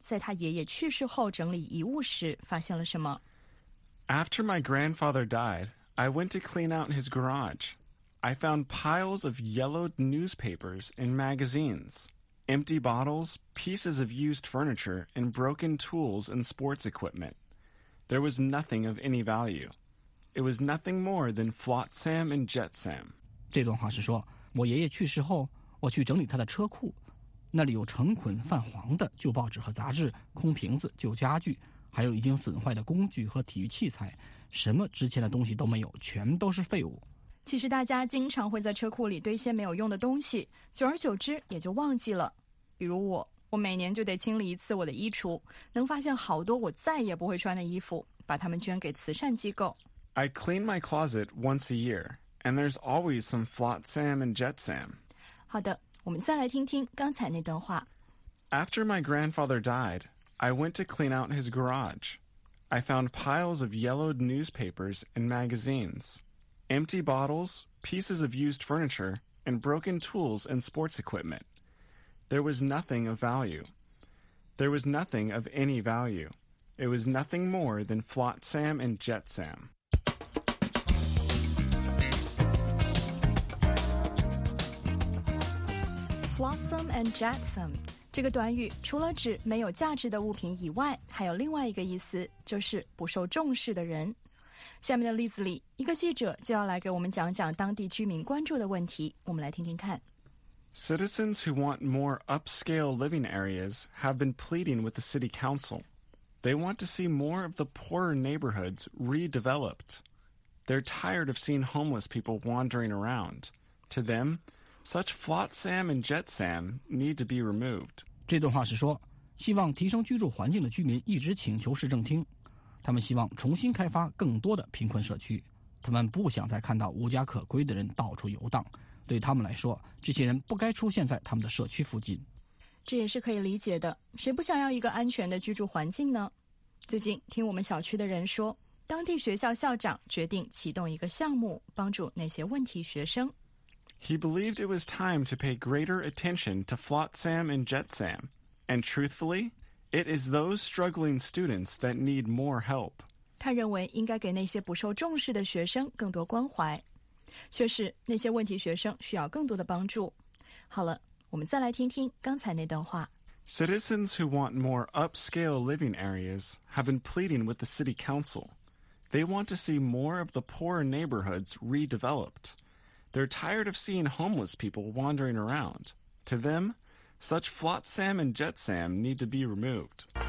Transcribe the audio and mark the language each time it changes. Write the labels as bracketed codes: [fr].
[zh] 里面没有什么重要信息，全都没有什么用。在下面的例子里，我们要看看一个人在他爷爷去世后整理遗物时发现了什么。 [en] After my grandfather died, I went to clean out his garage. I found piles of yellowed newspapers and magazines, empty bottles, pieces of used furniture, and broken tools and sports equipment. There was nothing of any value. It was nothing more than flotsam and jetsam. [zh] 这段话是说，我爷爷去世后，我去整理他的车库，那里有成捆泛黄的旧报纸和杂志、空瓶子、旧家具，还有已经损坏的工具和体育器材，什么值钱的东西都没有，全都是废物。其实大家经常会在车库里堆一些没有用的东西，久而久之也就忘记了。比如我，我每年就得清理一次我的衣橱，能发现好多我再也不会穿的衣服，把它们捐给慈善机构。 [en] I clean my closet once a year, and there's always some flotsam and jetsam. [zh] 好的，我们再来听听刚才那段话。 [en] After my grandfather died, I went to clean out his garage. I found piles of yellowed newspapers and magazines, empty bottles, pieces of used furniture, and broken tools and sports equipment. There was nothing of value. There was nothing of any value. It was nothing more than flotsam and jetsam. Flotsam and jetsam. [zh] 这个短语除了指没有价值的物品以外，还有另外一个意思，就是不受重视的人。下面的例子里，一个记者就要来给我们讲讲当地居民关注的问题，我们来听听看。 [en] Citizens who want more upscale living areas have been pleading with the city council. They want to see more of the poorer neighborhoods redeveloped. They're tired of seeing homeless people wandering around. To them,Such flotsam and jetsam need to be removed. [zh] 这段话是说，希望提升居住环境的居民一直请求市政厅，他们希望重新开发更多的贫困社区，他们不想再看到无家可归的人到处游荡。对他们来说，这些人不该出现在他们的社区附近。这也是可以理解的，谁不想要一个安全的居住环境呢？最近听我们小区的人说，当地学校校长决定启动一个项目，帮助那些问题学生。 [en] He believed it was time to pay greater attention to flotsam and jetsam. And truthfully, it is those struggling students that need more help. [zh] 他认为应该给那些不受重视的学生更多关怀。确实，那些问题学生需要更多的帮助。好了，我们再来听听刚才那段话。 [en] Citizens who want more upscale living areas have been pleading with the city council. They want to see more of the poorer neighborhoods redeveloped. They're tired of seeing homeless people wandering around. To them, such flotsam and jetsam need to be removed.